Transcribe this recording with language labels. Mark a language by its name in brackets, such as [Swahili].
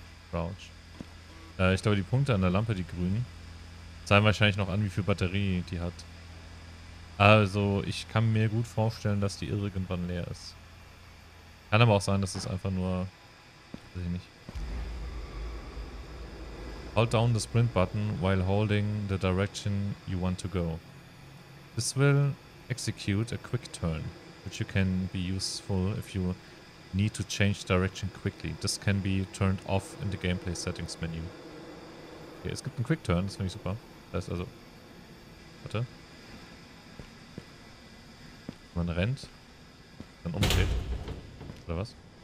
[German] Crouch. Ich glaube, die Punkte an der Lampe, die grünen, zeigen wahrscheinlich noch an, wie viel Batterie die hat. Also, ich kann mir gut vorstellen, dass die irgendwann leer ist. Kann aber auch sein, dass es einfach nur... Weiß ich nicht. [English] Hold down the sprint button while holding the direction you want to go. This will execute a quick turn, which you can be useful if you need to change direction quickly. This can be turned off in the gameplay settings menu. [German] Okay, es gibt einen quick turn, das finde ich super. Das heißt also... Warte. Man rennt, dann umdreht. Oder was?